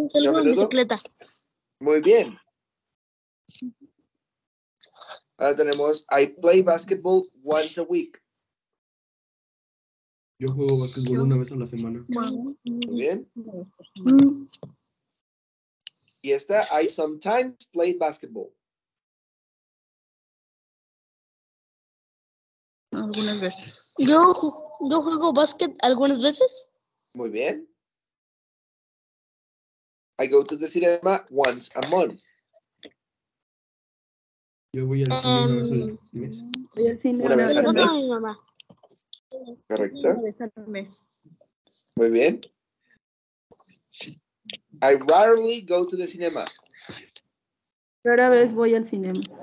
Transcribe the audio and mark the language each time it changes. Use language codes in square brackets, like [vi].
[es] Yo a menudo en bicicleta. Muy bien. Ahora tenemos [en] I play basketball once a week. [es] Yo juego basketball una vez a la semana. Muy bien. Y esta, [en] I sometimes play basketball. [es] Algunas veces. Yo juego básquet algunas veces. Muy bien. [en] I go to the cinema once a month. [es] Yo voy al cine una vez al mes. Voy al cine una vez al mes. Mi mamá. Correcto. Una vez al mes. Muy bien. [en] I rarely go to the cinema. [es] Rara vez voy al cine.